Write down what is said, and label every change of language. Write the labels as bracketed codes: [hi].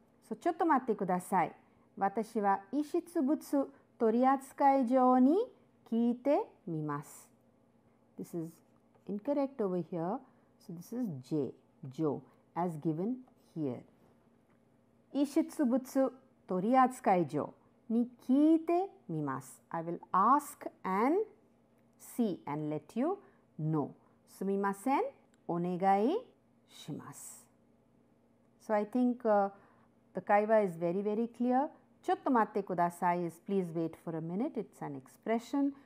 [en] So, [ja] ちょっと待ってください。私は遺失物取扱場に聞いてみます。 [en] This is incorrect over here. So, this is J, Joe, as given here. [ja] 遺失物取扱場に聞いてみます。 [en] I will ask and see and let you know. [ja] すみません。お願いします。 [en] So, I think the kaiwa is very, very clear. [ja] ちょっと待ってください [en] is please wait for a minute. It's an expression.